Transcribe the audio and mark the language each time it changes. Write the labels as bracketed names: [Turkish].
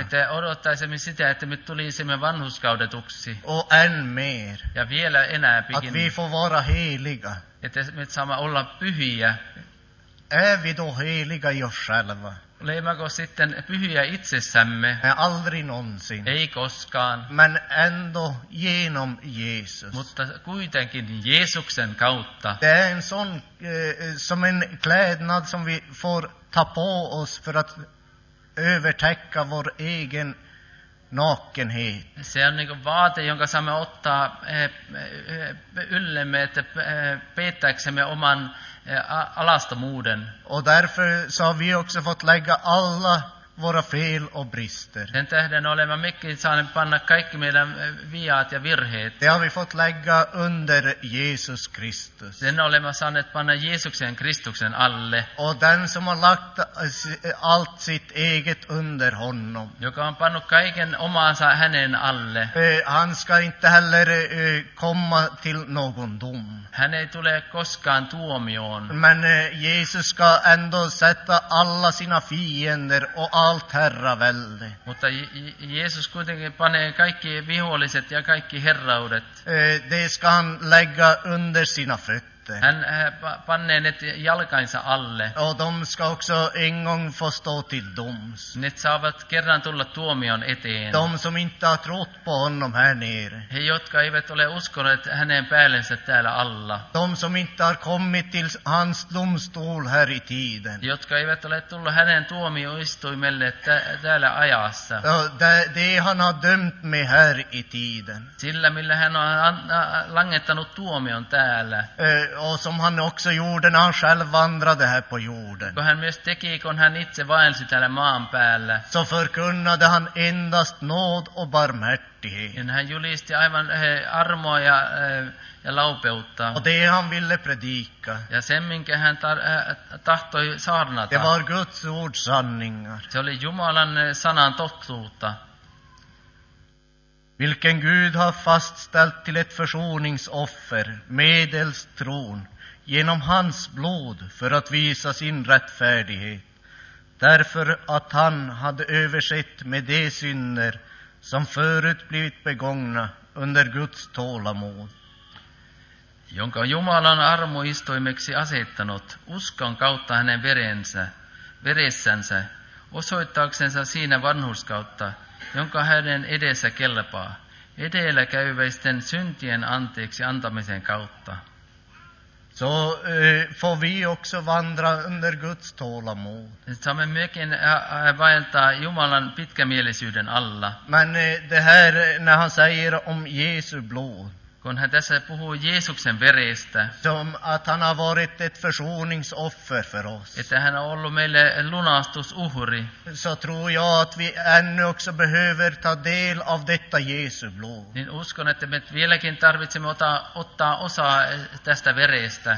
[Finnish] Että odottaisimme sitä, että me tulisimme vanhurskaudetuksi. [Swedish] Och än mer. [Finnish] Ja vielä enää pikin. [Swedish] Att vi får vara heliga. [Finnish] Että me saamme olla pyhiä. [Swedish] Är vi då heliga i oss själva? [Finnish] Leimako sitten pyhiä itsessämme? [Swedish] Ja aldrig någonsin. [Finnish] Ei koskaan. [Swedish] Men ändå genom Jesus. [Finnish] Mutta kuitenkin Jeesuksen kautta. [Swedish] Det är en sån som en klädnad som vi får ta på oss för att övertäcka vår egen nakenhet. [Finnish] Se on niin kuin vaate, jonka saamme ottaa yllemme, että peittääksemme oman alastomuuden. [Swedish] Och därför så har vi också fått lägga alla våra fel och brister. [Finnish] Den tähden olemme mycket i saanen panna kaikki meidän viat ja virheet. [Swedish] Det har vi fått lägga under Jesus Kristus. [Finnish] Den olemme saaneet panna Jeesuksen Kristuksen alle. [Swedish] Och den som har lagt allt sitt eget under honom. [Finnish] Joka on pannut kaiken omansa hänen alle. [Swedish] Han ska inte heller komma till någon dom. [Finnish] Hän ei tule koskaan tuomioon. [Swedish] Men Jesus ska ändå sätta alla sina fiender och allt herravälde. [Finnish] Mutta Jeesus kuitenkin panee kaikki viholliset ja kaikki herraudet. [Swedish] De ska han lägga under sina fötter. [Finnish] Hän panee ne jalkainsa alle. [Swedish] Och de ska också en gång få stå till doms. [Finnish] Ne saavat kerran tulla tuomion eteen. [Swedish] De som inte har trott på honom här nere. [Finnish] He, jotka eivät ole uskoneet hänen päällensä täällä alla. [Swedish] De som inte har kommit till hans domstol här i tiden. [Finnish] Jotka eivät ole tullut hänen tuomioistuimelle täällä ajassa. [Swedish] De han har dömt mig här i tiden. [Finnish] Sillä millä hän on langettanut tuomion täällä. [Swedish] Och som han också gjorde när han själv vandrade här på jorden. [Finnish] Kun hän myös teki, kun hän itse vaelsi täällä maan päällä. [Swedish] Så förkunnade han endast nåd och barmhärtighet. [Finnish] Ja hän julisti aivan armoa ja laupeutta. [Swedish] Och det han ville predika. [Finnish] Ja sen minkä hän tahtoi saarnata. [Swedish] Det var Guds ord sanningar. [Finnish] Se oli Jumalan sanan totuutta. [Swedish] Vilken Gud har fastställt till ett försoningsoffer medelst tron genom hans blod för att visa sin rättfärdighet. Därför att han hade översett med de synder som förut blivit begångna under Guds tålamod. [Finnish] Jonka Jumalan armoistoimeksi asettanut uskon kautta hänen veressänsä osoittaaksensa siinä vanhurskautta, jonka hänen edessä kelpaa, edellä käyväisten syntien anteeksi antamisen kautta. [Swedish] Så får vi också vandra under Guds tålamod. [Finnish] Saamme myöskin vaeltaa Jumalan pitkämielisyyden alla. [Swedish] Men det här när han säger om Jesu blod. [Finnish] Kun hän tässä puhuu Jeesuksen verestä. [Swedish] Som att han har varit ett försoningsoffer för oss. [Finnish] Että hän on ollut meille lunastusuhri. [Swedish] Så tror jag att vi ännu också behöver ta del av detta Jeesu blod. [Finnish] Niin uskon, että me vieläkin tarvitsemme ottaa osaa tästä verestä.